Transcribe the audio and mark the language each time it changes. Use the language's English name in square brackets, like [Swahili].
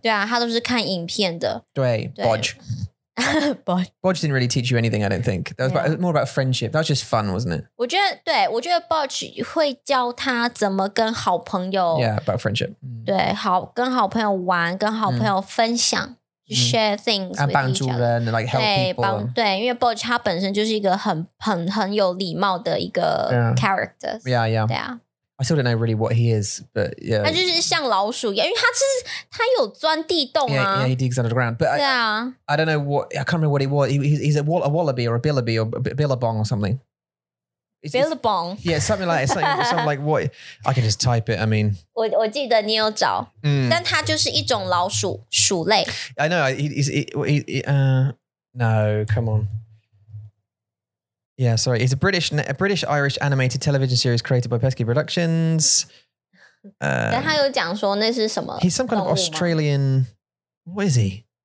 [Chinese] 对啊,他都是看影片的。对, [English] Bodge didn't really teach you anything, I don't think. That was about, more about friendship. That was just fun, wasn't it? [Chinese] 我觉得Bodge会教他怎么跟好朋友... [English] Yeah, about friendship. [Chinese] 对,跟好朋友玩,跟好朋友分享。 [English] Share things with each other. And like help [Chinese] 对, [English] people. [Chinese] 帮, 对,因为Bodge他本身就是一个很有礼貌的一个 character. [English] Yeah. I still don't know really what he is, but yeah. [Chinese] 他就是像老鼠一样,因为他是,他有钻地洞啊。 [English] Yeah, he digs under the ground. But yeah. I don't know what, I can't remember what he was. He's a wallaby or a billaby or a billabong or something. Billabong. Yeah, something like, something like what, I can just type it, I mean. [Chinese] 我记得你有找, 但它就是一种老鼠, 鼠类。 [English] I know, no, come on. Yeah, sorry, it's a British-Irish animated television series created by Pesky Productions. [Chinese] 但他有讲说那是什么动物吗? [English] He's some kind of Australian, what is he?